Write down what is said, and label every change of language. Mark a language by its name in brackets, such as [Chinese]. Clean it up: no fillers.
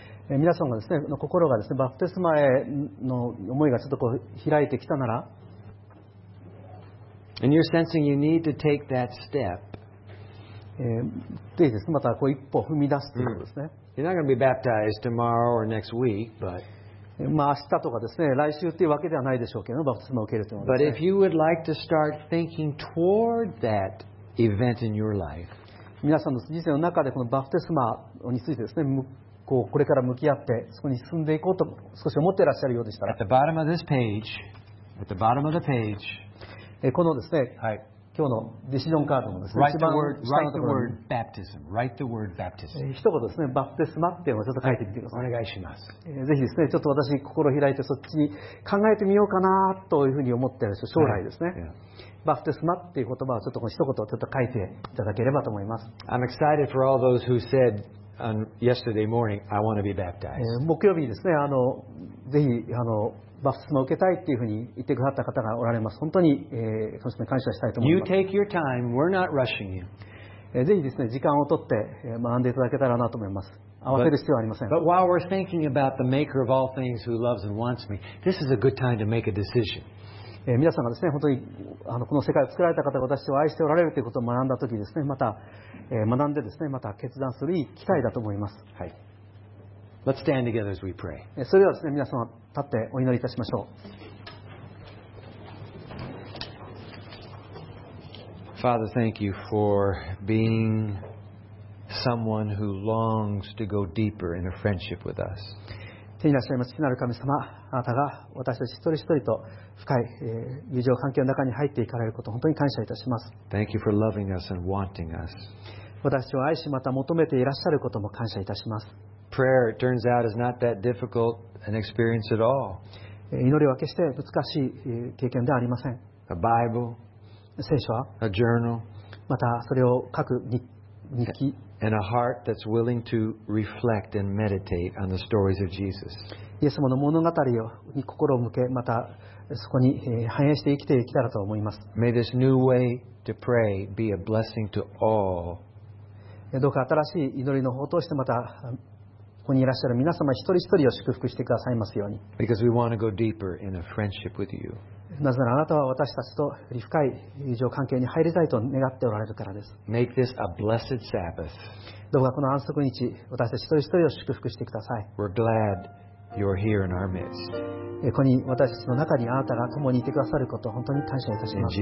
[Japanese] 皆さんがですね、の心がですね、バプテスマへの思いがちょっとこう開いてきたなら、 [English] and you're sensing you need to take that step, [Japanese] ぜひですね、またこう一歩踏み出すということですね。 [English] You're not going to be baptized tomorrow or next week, but [Japanese] まあ、明日とかですね、来週というわけではないでしょうけど、バプテスマを受けるというのは、ね、 [English] But if you would like to start thinking toward that event in your life, [Japanese] 皆さんの人生の中でこのバプテスマについてですね、こうこれから向き合ってそこに進んでいこうと少し思っていらっしゃるようでしたら、 [English] At the bottom of this page, at the bottom of the page, [Japanese] このですね、はい、今日のディシジョンカードのですね、 [English] write the word, [Japanese] 一番下のところに、 [English] baptism, write the word baptism. [Japanese] 一言ですね、バプテスマっていうのをちょっと書いてみてください。はい、お願いします。ぜひですね、ちょっと私心を開いてそっちに考えてみようかなというふうに思ってるんですよ、将来ですね。はい、バプテスマっていう言葉をちょっと一言ちょっと書いていただければと思います。 [English] I'm excited for all those who said on yesterday morning, I want to be baptized. [Japanese] 木曜日にですね、ぜひ、バプテスマを受けたいというふうに言ってくださった方がおられます。本当に、そして感謝したいと思います。 [English] You take your time. We're not rushing you. [Japanese] ぜひですね、時間を取って学んでいただけたらなと思います。慌てる必要はありません。 [English] But while we're thinking about the maker of all things who loves and wants me, this is a good time to make a decision. [Japanese] 皆さんがですね、本当にこの世界を作られた方が私を愛しておられるということを学んだときですね、また、学んでですね、また決断するいい機会だと思います。 [English] はい。Let's stand together as we pray. [Japanese] それではですね、皆様立ってお祈りいたしましょう。 [English] Father, thank you for being someone who longs to go deeper in a friendship with us. [Japanese] 天にいらっしゃいます、父なる神様、あなたが私たち一人一人と深い、友情関係の中に入っていかれることを本当に感謝いたします。 [English] Thank you for loving us and wanting us. [Japanese] 私を愛しまた求めていらっしゃることも感謝いたします。 [English] Prayer, it turns out, is not that difficult an experience at all. [Japanese] 祈りは決して難しい経験ではありません。 [English] A Bible, [Japanese] 聖書は、 [English] a journal, [Japanese] またそれを書く日記、 [English] and a heart that's willing to reflect and meditate on the stories of Jesus. [Japanese] イエス様の物語を心を向け、またそこに反映して生きていきたらと思います。 [English] May this new way to pray be a blessing to all. [Japanese] どうか新しい祈りの方としてまた。ここにいらっしゃる皆様一人一人を祝福してくださいますように。 [English] Because we want to go deeper in a friendship with you. [Japanese] なぜならあなたは私たちとより深い友情関係に入りたいと願っておられるからです。 [English] Make this a blessed Sabbath. [Japanese] どうかこの安息日、私たち一人一人を祝福してください。 [English] We're glad you're here in our midst. [Japanese] ここに私たちの中にあなたが共にいてくださることを本当に感謝いたします。